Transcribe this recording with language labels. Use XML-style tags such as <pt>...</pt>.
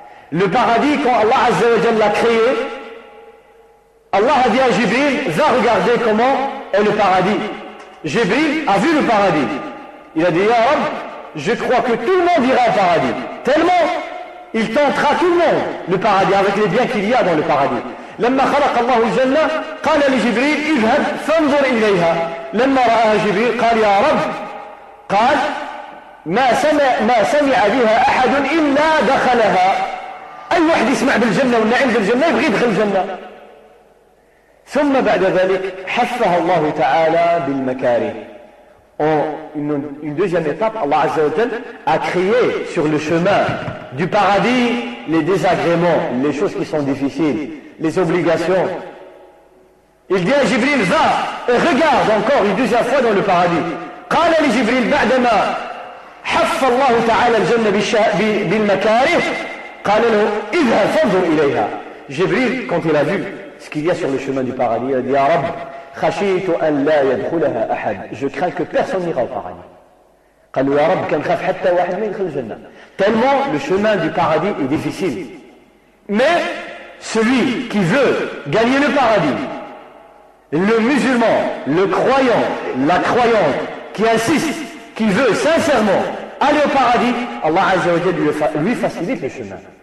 <fr>Le paradis, quand Allah Azza wa Jalla l'a créé, Allah a dit à Jibril, va regarder comment est le paradis. Jibril a vu le paradis. Il a dit, ya Rab, je crois que tout le monde ira au paradis. Tellement, il tentera tout le monde, le paradis, avec les biens qu'il y a dans le paradis.</fr> <ar>لما خلق الله الجنة قال لجبريل اذهب فانظر إليها لما رأها جبريل قال يا رب قال ما سمع بها أحد إلا دخلها أي واحد يسمع بالجنة والنعيم بالجنة يبغي يدخل الجنة. ثم بعد ذلك حثها الله تعالى بالمكاره.</ar> <fr>Une deuxième étape, Allah Azza wa Jal a créé sur le chemin du paradis les désagréments, les choses qui sont difficiles, les obligations. Il dit à Jibril, va et regarde encore une deuxième fois dans le paradis.</fr> <ar>قال لجبريل بعدما حف الله تعالى الجنة بالمكاره قال له اذهب فانظر إليها.</ar> <fr>جبريل quand il a vu ce qu'il y a sur le chemin du paradis, il a dit</fr> <ar>يا رب خشيت أن لا يدخلها أحد.</ar> <fr>Je crains que personne n'ira au paradis.</fr> <ar>قال يا رب كان خاف حتى واحد ما يدخل الجنة.</ar> <fr>Tellement le chemin du paradis est difficile. Mais celui qui veut gagner le paradis, le musulman, le croyant, la croyante qui insiste, qui veut sincèrement aller au paradis, Allah Azza wa Jal lui facilite le chemin.</fr>